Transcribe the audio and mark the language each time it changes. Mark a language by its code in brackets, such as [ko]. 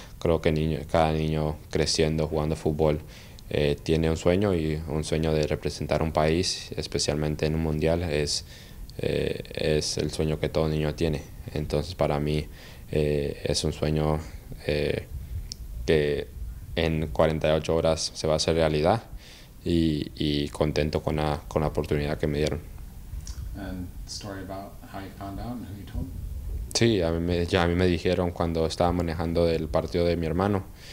[es] Creo que cada niño creciendo jugando fútbol tiene un sueño, y un sueño de representar un país, especialmente en un mundial, es el sueño que todo niño tiene. Entonces, para mí es un sueño que en 48 horas se va a hacer realidad, y contento con la oportunidad que me dieron. [en] And story about how you found out and who you told. [es] Sí, a mí me dijeron cuando estaba manejando el partido de mi hermano.